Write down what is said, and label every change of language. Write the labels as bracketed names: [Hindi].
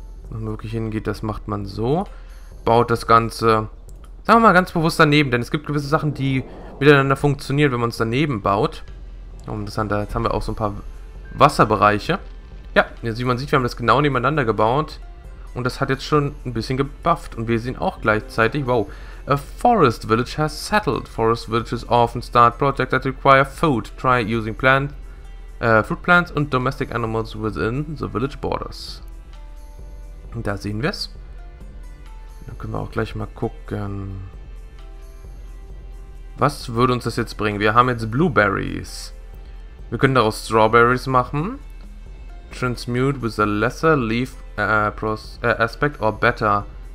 [German] Wenn man wirklich hingeht, das macht man so. Baut das Ganze, sagen wir mal, ganz bewusst daneben, denn es gibt gewisse Sachen, die miteinander funktionieren, wenn man es daneben baut. Und das haben, da, jetzt haben wir auch so ein paar Wasserbereiche. Ja, jetzt, wie man sieht, wir haben das genau nebeneinander gebaut und das hat jetzt schon ein bisschen gebufft. Und wir sehen auch gleichzeitig, wow... [English] A forest village has settled. Forest villages often start projects that require food. Try using fruit plants and domestic animals within the village borders. [German] Und da sehen wir es. Dann können wir auch gleich mal gucken. Was würde uns das jetzt bringen? Wir haben jetzt Blueberries. Wir können daraus Strawberries machen. [English] Transmute with a lesser leaf aspect or better.